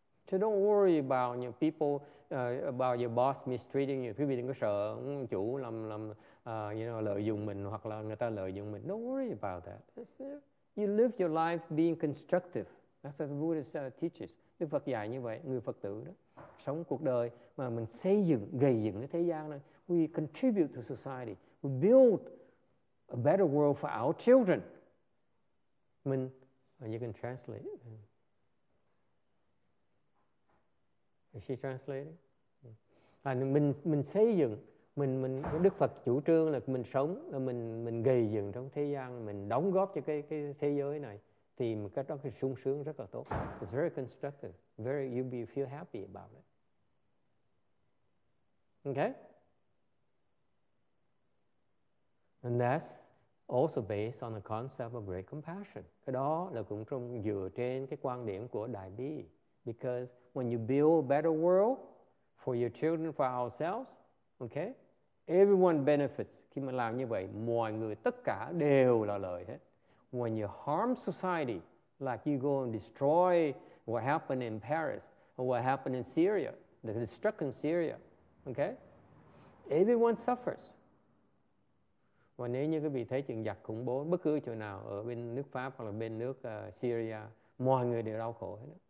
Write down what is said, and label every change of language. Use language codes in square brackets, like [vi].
[en] So don't worry about your people, about your boss mistreating you. [vi] Quý vị đừng có sợ chủ lợi dụng mình hoặc là người ta lợi dụng mình. [en] Don't worry about that. You live your life being constructive. That's what the Buddha teaches. [vi] Đức Phật dạy như vậy, người Phật tử đó. Sống cuộc đời mà mình xây dựng, gây dựng cái thế gian này. [en] We contribute to society. We build a better world for our children. Mình, you can translate. Is she translating? [vi] Mình xây dựng, mình Đức Phật chủ trương là mình sống, là mình gây dựng trong thế gian, mình đóng góp cho cái thế giới này, thì cái đó cái sung sướng rất là tốt. [en] It's very constructive. Very, you be feel happy about it. Okay? And that's also based on the concept of great compassion. [vi] Cái đó là cũng trong dựa trên cái quan điểm của Đại Bi. [en] Because when you build a better world for your children, for ourselves, okay, everyone benefits. [vi] Khi mà làm như vậy, mọi người tất cả đều là lợi hết. [en] When you harm society, like you go and destroy what happened in Paris or what happened in Syria, the destruction in Syria, okay, everyone suffers. [vi] Và nếu như quý vị thấy chuyện giặc khủng bố bất cứ chỗ nào ở bên nước Pháp hoặc là bên nước Syria, mọi người đều đau khổ hết.